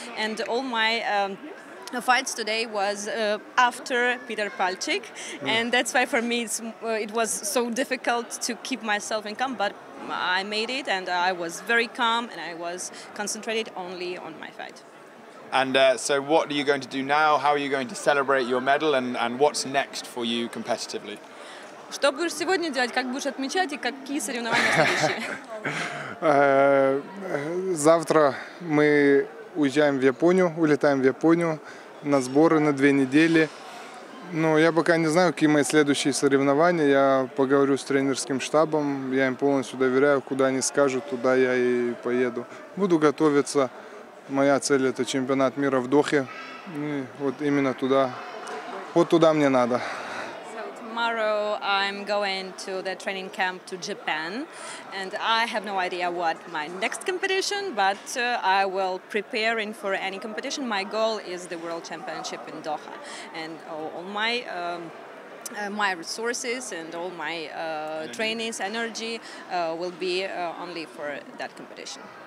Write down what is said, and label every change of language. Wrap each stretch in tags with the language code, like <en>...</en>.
<en>And all my... The fights today was after Peter Palchik, and that's why for me it's, it was so difficult to keep myself in calm, but I made it and I was very calm and I was concentrated only on my fight. And so what are you going to do now? How are you going to celebrate your medal, and what's next for you competitively?</en> <ru>Что будешь сегодня делать, как будешь отмечать и какие соревнования следующие? Завтра мы уезжаем в Японию, улетаем в Японию на сборы на две недели. Но я пока не знаю, какие мои следующие соревнования. Я поговорю с тренерским штабом. Я им полностью доверяю. Куда они скажут, туда я и поеду. Буду готовиться. Моя цель – это чемпионат мира в Дохе. И вот именно туда. Вот туда мне надо.</ru> <en>Tomorrow I'm going to the training camp to Japan, and I have no idea what my next competition, but I will prepare in for any competition. My goal is the World Championship in Doha, and all my my resources and all my trainings, energy will be only for that competition.</en>